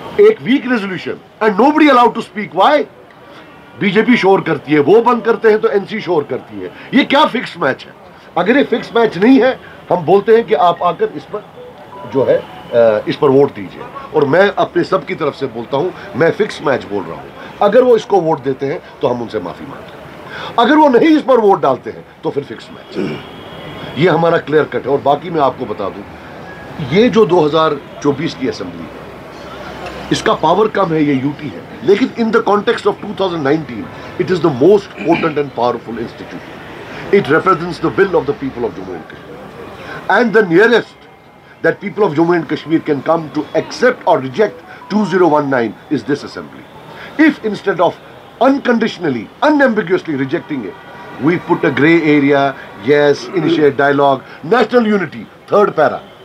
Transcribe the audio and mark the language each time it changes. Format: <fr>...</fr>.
<en>Ek weak resolution and nobody allowed to speak, why?</en> <ur>BJP shor karti hai, wo band karte hain to NC shor karti hai, ye kya fixed match hai? اگر یہ fix match نہیں ہے, ہم بولتے ہیں کہ آپ آ کر اس پر جو ہے اس پر ووٹ دیجئے, اور میں اپنے سب کی طرف سے بولتا ہوں میں فکس میچ بول رہا ہوں, اگر وہ اس کو ووٹ دیتے ہیں تو ہم ان سے معافی مانگتے ہیں, اگر وہ نہیں اس پر ووٹ ڈالتے ہیں تو پھر فکس میچ. یہ ہمارا کلیئر کٹ ہے. اور باقی میں آپ کو بتا دوں, یہ جو 2024 کی اسمبلی ہے اس کا پاور کم ہے, یہ یو ٹی ہے, لیکن</ur> <en>In the context of 2019 it is the most important and powerful institution. It represents the will of the people of Jammu and Kashmir. And the nearest that people of Jammu and Kashmir can come to accept or reject 2019 is this assembly. If instead of unconditionally, unambiguously rejecting it, we put a grey area, yes, initiate dialogue, national unity, third para.</en>